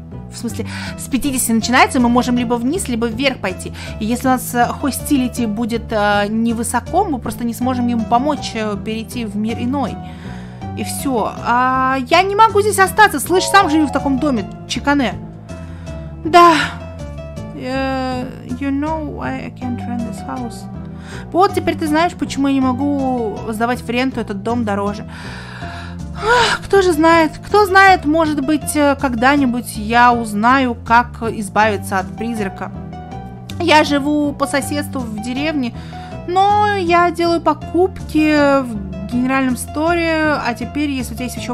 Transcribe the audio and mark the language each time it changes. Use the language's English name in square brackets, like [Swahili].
[Russian] В смысле, с 50 начинается, мы можем либо вниз, либо вверх пойти. И если у нас хостилити будет невысоко, мы просто не сможем ему помочь перейти в мир иной. И все. А, я не могу здесь остаться. Слышь, сам живу в таком доме, чикане. Да. [English] You know why I can't rent this house. [Russian] Вот теперь ты знаешь, почему я не могу сдавать в ренту этот дом дороже. Кто же знает? Кто знает, может быть, когда-нибудь я узнаю, как избавиться от призрака. Я живу по соседству в деревне, но я делаю покупки в генеральном сторе, а теперь, если у тебя есть еще...